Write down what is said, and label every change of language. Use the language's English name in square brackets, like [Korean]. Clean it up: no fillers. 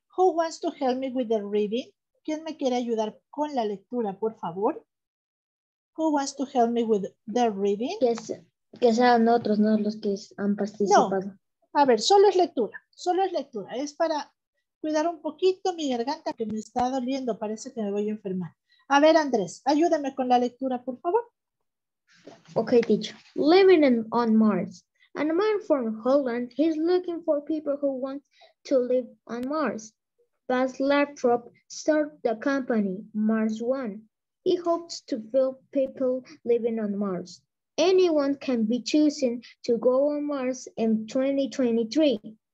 [English] Who wants to help me with the reading? [Spanish] ¿Quién me quiere ayudar con la lectura, por favor? [English] Who wants to help me with the reading? [Spanish] Que sean otros, no los que han participado. No. A ver, solo es lectura. Solo es lectura. Es para cuidar un poquito mi garganta que me está doliendo. Parece que me voy a enfermar. A ver, Andrés, ayúdame con la lectura, por favor. [English] Okay, teacher. Living on Mars. A man from Holland is looking for people who want to live on Mars. Buzz Lightrop started the company, Mars One. He hopes to fill people living on Mars. Anyone can be choosing to go on Mars in 2023.